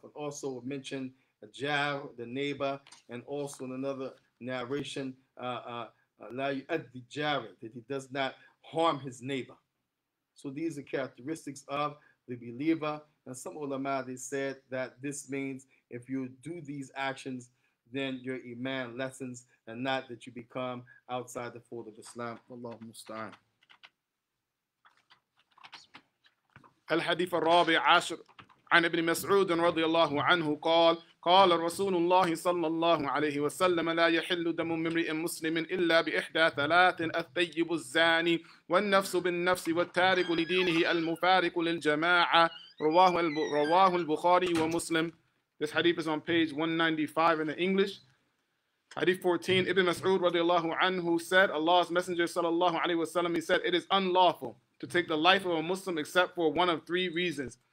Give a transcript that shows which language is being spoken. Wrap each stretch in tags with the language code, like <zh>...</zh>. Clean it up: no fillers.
<en>And also mentioned a jar, the neighbor, and also in another narration, that he does not harm his neighbor. So these are characteristics of the believer. And some ulama, they said that this means if you do these actions, then your iman lessens, and not that you become outside the fold of Islam.</en> <ar>Allahu musta'an. الحديث الرابع عشر عن ابن مسعود رضي الله عنه قال قال رسول الله صلى الله عليه وسلم لا يحل دم امرئ مسلم إلا بإحدى ثلاث: الثيب الزاني، والنفس بالنفس، والتارك لدينه المفارق للجماعة. رواه البخاري ومسلم.</ar> <en>This hadith is on page 195 in the English. Hadith 14, Ibn Mas'ud radiallahu anhu said, Allah's Messenger sallallahu alayhi wa sallam, he said, it is unlawful to take the life of a Muslim except for one of three reasons.</en>